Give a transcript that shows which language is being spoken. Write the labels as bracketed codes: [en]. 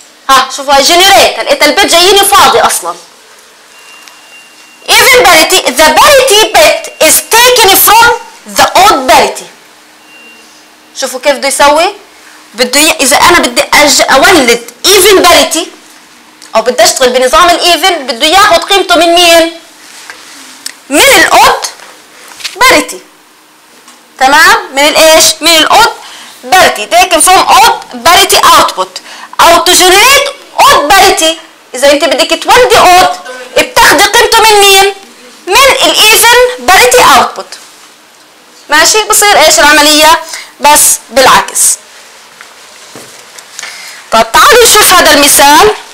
[ar] ها شوفوا هاي جنريت، لقيت البت جاييني فاضي اصلا. [en] Even parity, the parity bit is taken from the odd parity. [ar] شوفوا كيف بده يسوي؟ بده اذا انا بدي اولد ايفن باريتي او بدي اشتغل بنظام الايفن، بده ياخذ قيمته من مين؟ من الاود باريتي. تمام؟ من الايش؟ من الاود باريتي، [en] taken from odd parity [ar] output او to generate odd parity. اذا انت بدك تولدي odd بتاخذي قيمته من مين؟ من الايفن باريتي output. ماشي؟ بصير ايش العمليه؟ بس بالعكس. طب تعالوا نشوف هذا المثال.